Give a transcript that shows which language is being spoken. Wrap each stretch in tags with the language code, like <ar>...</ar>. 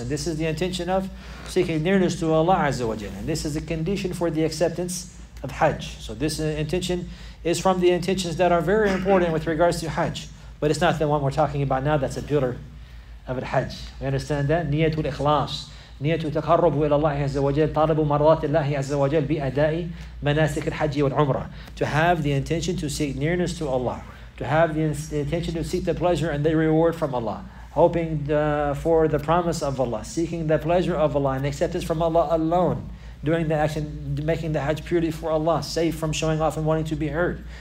<en>And this is the intention of seeking nearness to Allah azza wa jal. And this is a condition for the acceptance of Hajj. So this intention is from the intentions that are very important with regards to Hajj. But it's not the one we're talking about now. That's a pillar of al-Hajj. We understand that? Niyatu al-ikhlas.</en> <ar>نية تقرب إلى الله عز وجل طالب مرضات الله عز وجل بأداء مناسك الحج والعمرة.</ar> <en>To have the intention to seek nearness to Allah, to have the intention to seek the pleasure and the reward from Allah, hoping for the promise of Allah, seeking the pleasure of Allah and acceptance from Allah alone, doing the action, making the Hajj purely for Allah, safe from showing off and wanting to be heard.</en>